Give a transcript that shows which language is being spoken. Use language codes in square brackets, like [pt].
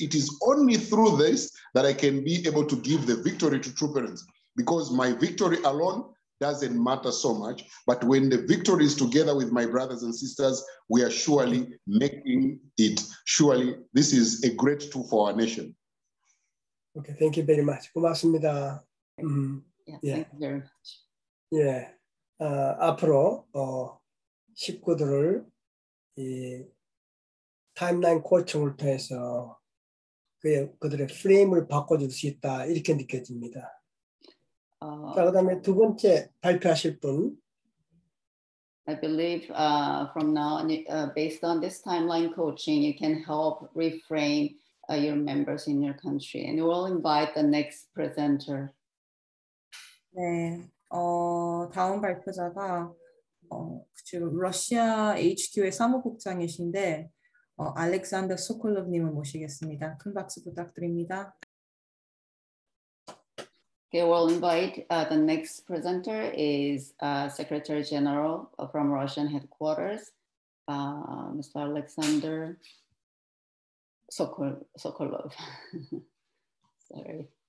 [en] It is only through this that I can be able to give the victory to true parents, because my victory alone doesn't matter so much. But when the victory is together with my brothers and sisters, we are surely making it. Surely, this is a great tool for our nation. Okay, thank you very much. [ko] 고맙습니다. [en] Yeah, thank you very much. Yeah. [ko] 앞으로 식구들을 이 타임라인 코칭을 통해서 그들의 프레임을 바꿔줄 수 있다 이렇게 느껴집니다. 자, 그다음에 두 번째 발표하실 분. [en] I believe from now on, based on this timeline coaching, you can help reframe your members in your country, and we'll invite the next presenter. [ko] 네, 다음 발표자가 지금 러시아 HQ의 사무국장이신데 알렉산더 소콜롭님을 모시겠습니다. 큰 박수 부탁드립니다. [en] Okay, we'll invite the next presenter is Secretary General from Russian headquarters, Mr. Alexander Sokolov. Sorry.